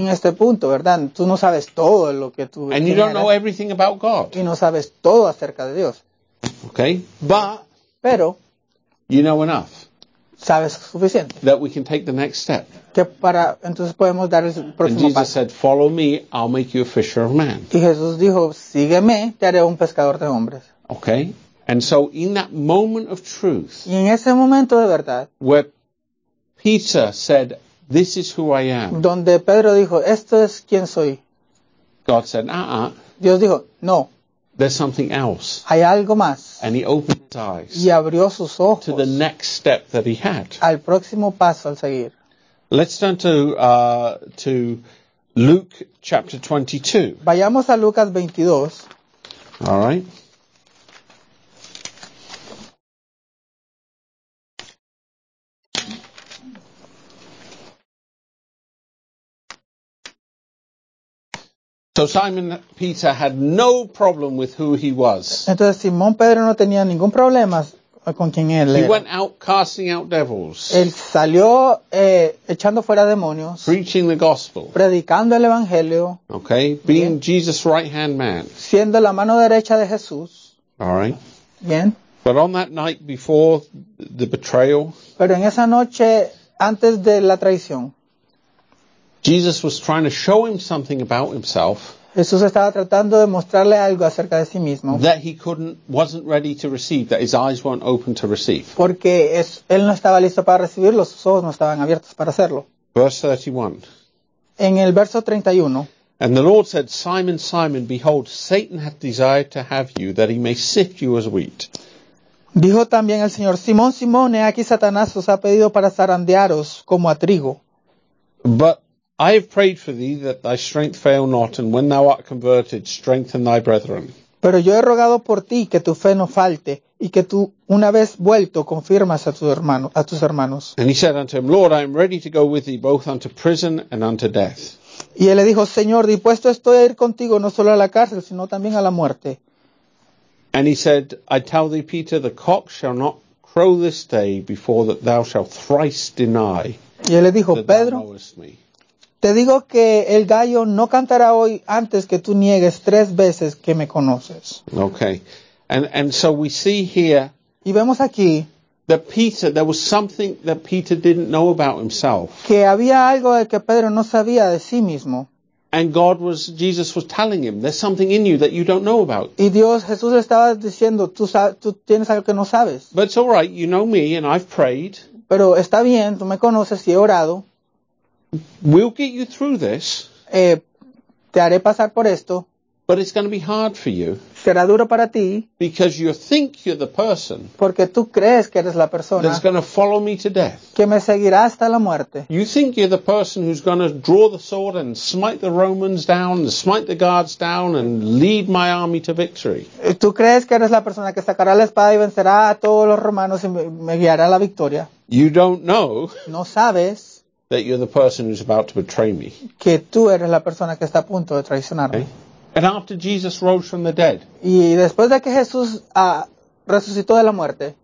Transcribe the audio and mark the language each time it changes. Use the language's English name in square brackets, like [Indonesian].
[Spanish] En este punto, ¿verdad? Tú no sabes todo lo que tú [English] eres. And you don't know everything about God. [Spanish] Y no sabes todo acerca de Dios. [English] Okay. But. [Spanish] Pero. [English] You know enough. [Spanish] Sabes suficiente. [English] That we can take the next step. [Spanish] Que para, entonces podemos dar el próximo paso. [English] And Jesus [Spanish] paso. [English] Said, "Follow me, I'll make you a fisher of men." [Spanish] Y Jesús dijo, sígueme, te haré un pescador de hombres. [English] Okay. And so in that moment of truth, [Spanish] y en ese momento de verdad, [English] where Peter said, "This is who I am," [Spanish] donde Pedro dijo, "Esto es quien soy," [English] God said, "Uh-uh." [Spanish] Dios dijo, "No." [English] There's something else. [Spanish] Hay algo más. [English] And he opened his eyes. [Spanish] Y abrió sus ojos. [English] To the next step that he had. [Spanish] Al próximo paso al seguir. [English] Let's turn to Luke chapter 22. [Spanish] Vayamos a Lucas 22. [English] All right. So Simon Peter had no problem with who he was. [Spanish] Entonces Simón Pedro no tenía ningún problema con quién él era. [English] He went out casting out devils. [Spanish] Él salió echando fuera demonios. [English] Preaching the gospel. [Spanish] Predicando el evangelio. [English] Okay, being bien. Jesus' right hand man. [Spanish] Siendo la mano derecha de Jesús. [English] All right. [Spanish] Bien. [English] But on that night before the betrayal. [Spanish] Pero en esa noche antes de la traición. [English] Jesus was trying to show him something about himself. [Spanish] Jesús estaba tratando de mostrarle algo acerca de sí mismo. [English] That he couldn't, wasn't ready to receive, that his eyes weren't open to receive. [Spanish] Porque él no estaba listo para recibirlo, sus ojos no estaban abiertos para hacerlo. [English] Verse 31. [Spanish] En el verso 31. [English] And the Lord said, "Simon, Simon, behold, Satan hath desired to have you, that he may sift you as wheat." [Spanish] Dijo también el Señor, "Simón, Simón, he aquí Satanás os ha pedido para zarandearos como a trigo." [English] But I have prayed for thee that thy strength fail not, and when thou art converted, strengthen thy brethren. [Spanish] Pero yo he rogado por ti que tu fe no falte, y que tú, una vez vuelto, confirmas a tus hermanos. [English] And he said unto him, "Lord, I am ready to go with thee both unto prison and unto death." [Spanish] Y él le dijo, Señor, dispuesto estoy a ir contigo no solo a la cárcel, sino también a la muerte. [English] And he said, "I tell thee, Peter, the cock shall not crow this day before that thou shalt thrice deny." [Spanish] Y él le dijo, Pedro. Te digo que el gallo no cantará hoy antes que tú niegues tres veces que me conoces. [English] Okay. And so we see here. [Spanish] Y vemos aquí. [English] That Peter, there was something that Peter didn't know about himself. [Spanish] Que había algo de que Pedro no sabía de sí mismo. [English] And God was, Jesus was telling him, there's something in you that you don't know about. [Spanish] Y Dios, Jesús le estaba diciendo, tú tienes algo que no sabes. [English] But it's all right, you know me and I've prayed. [Spanish] Pero está bien, tú me conoces y he orado. [English] We'll get you through this. [Spanish] Te haré pasar por esto. [English] But it's going to be hard for you. [Spanish] Será duro para ti. [English] Because you think you're the person. [Spanish] Porque tú crees que eres la persona. [English] That's going to follow me to death. [Spanish] Que me seguirá hasta la muerte. [English] You think you're the person who's going to draw the sword and smite the Romans down, and smite the guards down, and lead my army to victory. [Spanish] Tú crees que eres la persona que sacará la espada y vencerá a todos los romanos y me guiará a la victoria. [English] You don't know. [Spanish] No sabes. [English] That you're the person who's about to betray me. [Spanish] Que tú eres la persona que está a punto de traicionarme. [English] Okay. And after Jesus rose from the dead. [Spanish] Y después de que Jesús resucitó de la muerte.